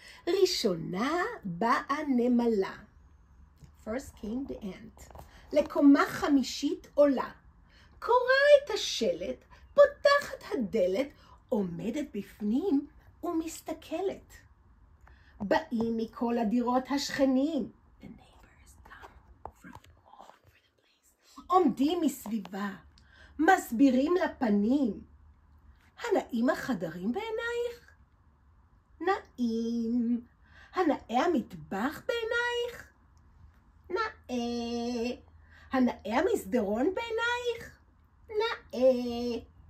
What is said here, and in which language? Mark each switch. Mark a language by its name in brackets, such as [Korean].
[Hebrew] ראשונה באה נמלה. [English] First came the ant. [Hebrew] לקומה חמישית עולה. קורא את השלט, פותחת הדלת, עומדת בפנים ומסתכלת. באים מכל הדירות השכנים. [English] The neighbors come from all over the place. [Hebrew] עומדים מסביבה, מסבירים לפנים. הנאים החדרים בעינייך? נעים. הנאי המטבח בעינייך? נאה. הנאי המסדרון בעינייך? נאה.